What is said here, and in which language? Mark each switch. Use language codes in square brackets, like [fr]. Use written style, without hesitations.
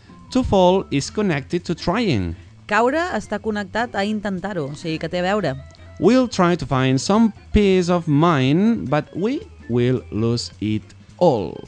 [en] To fall is connected to trying. [ca] Caure està connectat a intentar-ho, o sigui que té a veure. [en] We'll try to find some peace of mind, but we will lose it all.